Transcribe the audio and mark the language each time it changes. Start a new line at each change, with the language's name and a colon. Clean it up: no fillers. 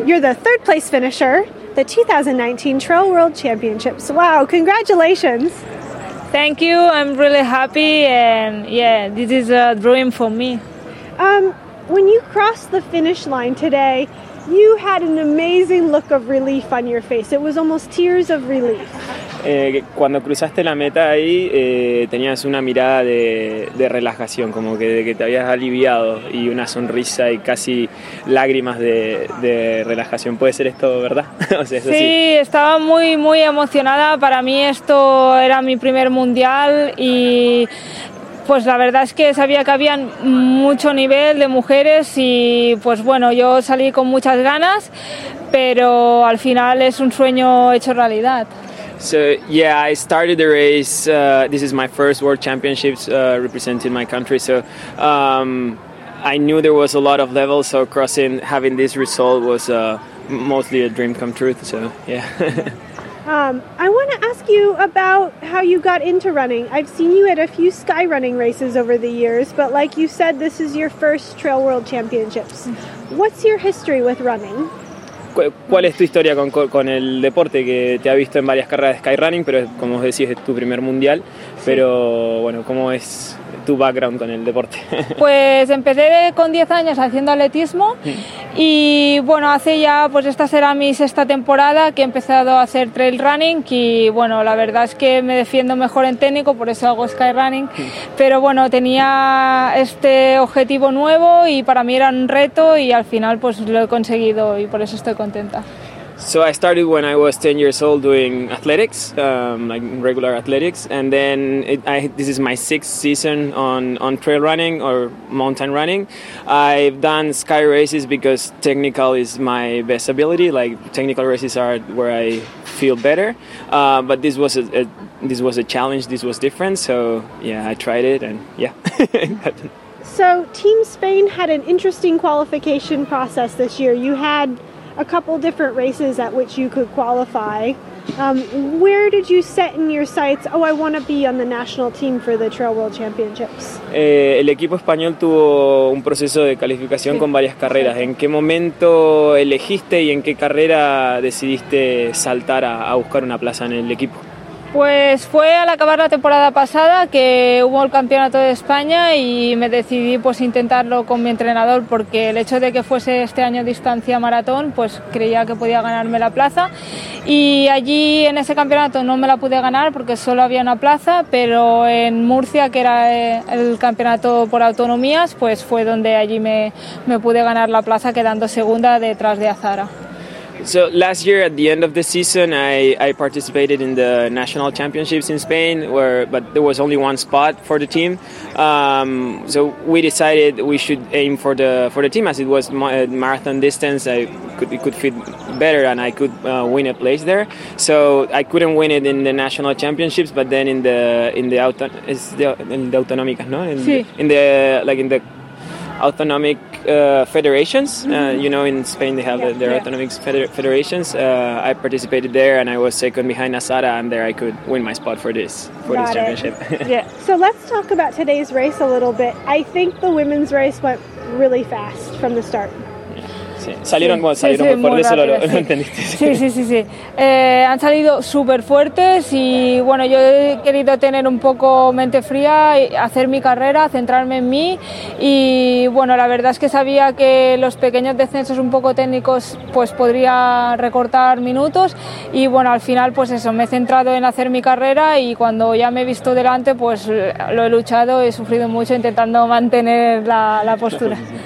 English: You're the third place finisher, the 2019 Trail World Championships. Wow, congratulations. Thank you. I'm really happy, and yeah, this is a dream for me. When you crossed the finish line today, you had an amazing look of relief on your face. It was almost tears of relief.
Spanish: Cuando cruzaste la meta ahí, tenías una mirada de relajación, como que, de que te habías aliviado, y una sonrisa y casi lágrimas de relajación. ¿Puede ser esto verdad? O sea, eso sí, estaba muy, muy emocionada. Para mí esto era mi primer mundial y pues la verdad es que sabía que había mucho nivel de mujeres y pues bueno, yo salí con muchas ganas, pero al final es un sueño hecho realidad.
English: So yeah, I started the race. This is my first World Championships representing my country. So I knew there was a lot of levels. So crossing, having this result was mostly a dream come true. So yeah. I want to ask you about how you got into running. I've seen you at a few sky running races over the years, but like you said, this is your first Trail World Championships. What's your history with running?
Spanish: ¿Cuál es tu historia con el deporte? Que te ha visto en varias carreras de skyrunning, pero como os decís, es tu primer mundial. Pero sí. Bueno, ¿cómo es tu background con el deporte? Pues empecé con 10 años haciendo atletismo. Y bueno, hace ya, pues esta será mi sexta temporada que he empezado a hacer trail running. Y bueno, la verdad es que me defiendo mejor en técnico, por eso hago skyrunning. Pero bueno, tenía este objetivo nuevo y para mí era un reto y al final pues lo he conseguido y por eso estoy contenta.
English: So I started when I was 10 years old doing athletics, like regular athletics, and then this is my sixth season on trail running or mountain running. I've done sky races because technical is my best ability, like technical races are where I feel better, but this was a challenge, this was different, so yeah, I tried it and yeah. So Team Spain had an interesting qualification process this year. You had a couple different races at which you could qualify. Where did you set in your sights, oh, I want to be on the national team for the Trail World Championships?
Spanish: El equipo español tuvo un proceso de calificación con varias carreras. ¿En qué momento elegiste y en qué carrera decidiste saltar a buscar una plaza en el equipo? Pues fue al acabar la temporada pasada que hubo el campeonato de España y me decidí pues intentarlo con mi entrenador porque el hecho de que fuese este año distancia maratón pues creía que podía ganarme la plaza y allí en ese campeonato no me la pude ganar porque solo había una plaza, pero en Murcia, que era el campeonato por autonomías, pues fue donde allí me pude ganar la plaza quedando segunda detrás de Azara.
English: So last year at the end of the season I participated in the national championships in Spain but there was only one spot for the team. So we decided we should aim for the team as it was marathon distance. It could fit better and I could win a place there. So I couldn't win it in the national championships but then in the autonómicas, no? In the autonomic federations, you know, in Spain they have their autonomic federations. I participated there and I was second behind Azara, and there I could win my spot for this championship. Yeah. So let's talk about today's race a little bit. I think the women's race went really fast from the start.
Spanish: Sí. Han salido súper fuertes y bueno, yo he querido tener un poco mente fría y hacer mi carrera, centrarme en mí y bueno, la verdad es que sabía que los pequeños descensos un poco técnicos pues podría recortar minutos y bueno, al final pues eso, me he centrado en hacer mi carrera y cuando ya me he visto delante pues lo he luchado, he sufrido mucho intentando mantener la postura.